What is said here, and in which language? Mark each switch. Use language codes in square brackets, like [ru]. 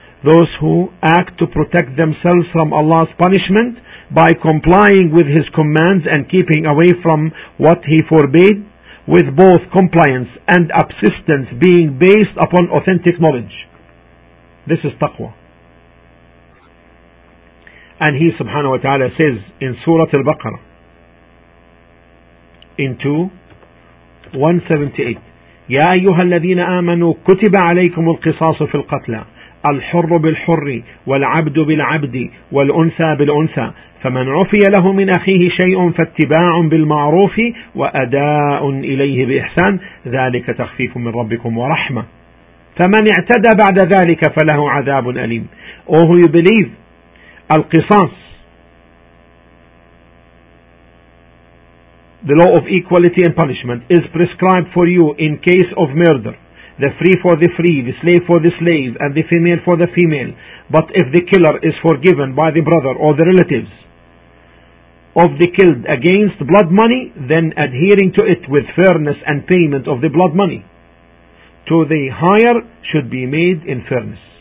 [en] Those who act to protect themselves from Allah's punishment by complying with His commands and keeping away from what He forbade, with both compliance and abstinence being based upon authentic knowledge. This is taqwa. And He subhanahu wa ta'ala says in Surah Al-Baqarah in 2:178, [ar] يَا أَيُّهَا الَّذِينَ آمَنُوا كُتِبَ عَلَيْكُمُ الْقِصَاصُ فِي الْقَتْلَى الحر بالحر والعبد بالعبد والأنثى بالأنثى فمن عفي له من أخيه شيء فاتباع بالمعروف وأداء إليه بإحسان ذلك تخفيف من ربكم ورحمة فمن اعتدى بعد ذلك فله عذاب أليم. [en] Oh, you believe, القصاص, the law of equality and punishment, is prescribed for you in case of murder. The free for the free, the slave for the slave, and the female for the female. But if the killer is forgiven by the brother or the relatives of the killed against blood money, then adhering to it with fairness and payment of the blood money to the hire should be made in fairness.